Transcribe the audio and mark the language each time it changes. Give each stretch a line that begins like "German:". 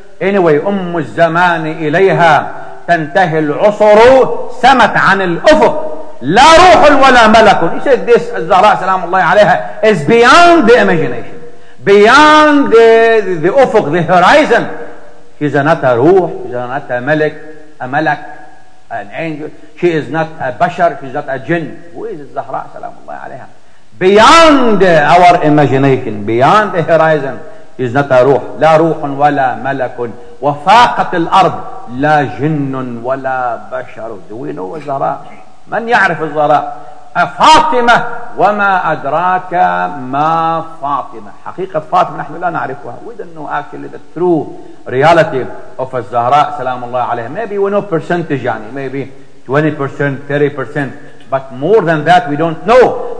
Arabic: Anyway, أم الزمان إليها تنتهي العصر سمت عن الأفق لا روح ولا ملك.
English: He said this,
Arabic: الزهراء سلام الله عليها,
English: is beyond the imagination, beyond the أفق, the horizon. She is not a روح, she is not a ملك, a ملك, an angel. She is not a بشر, she is not a jinn. Who is
Arabic: الزهراء سلام الله عليها?
English: Beyond our imagination, beyond the horizon, is not a ruh, la ruh
Arabic: ولا ملك, وفاقت الأرض لا جن ولا بشر.
English: Do we know الزهراء?
Arabic: من يعرف الزهراء? فاطمة وما أدراك ما فاطمة. حقيقة فاطمة نحن لا نعرفها.
English: We don't know actually the true reality of
Arabic: الزهراء سلام الله عليه.
English: Maybe we know percentage, maybe 20%, 30%. But more than that, we don't know.